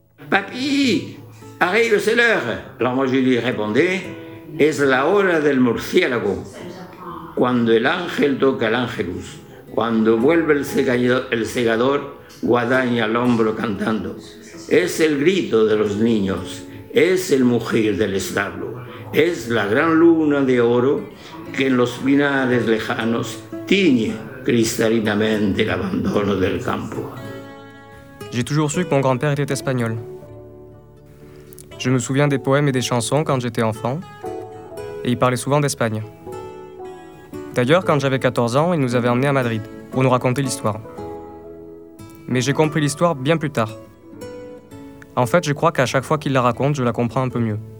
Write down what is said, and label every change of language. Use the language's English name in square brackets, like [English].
[French] Papi, arrive, c'est l'heure. Alors moi, je lui répondais, [Spanish] es la hora del murciélago. Cuando el ángel toca el ángelus. Cuando vuelve el segador, guadaña al hombro cantando. Es el grito de los niños. Es el mugir del establo. Es la gran luna de oro que en los pinares lejanos tiñe cristalinamente el abandono del campo. [French] J'ai toujours su que mon grand-père était espagnol. Je me souviens des poèmes et des chansons quand j'étais enfant, et il parlait souvent d'Espagne. D'ailleurs, quand j'avais 14 ans, il nous avait emmenés à Madrid pour nous raconter l'histoire. Mais j'ai compris l'histoire bien plus tard. En fait, je crois qu'à chaque fois qu'il la raconte, je la comprends un peu mieux.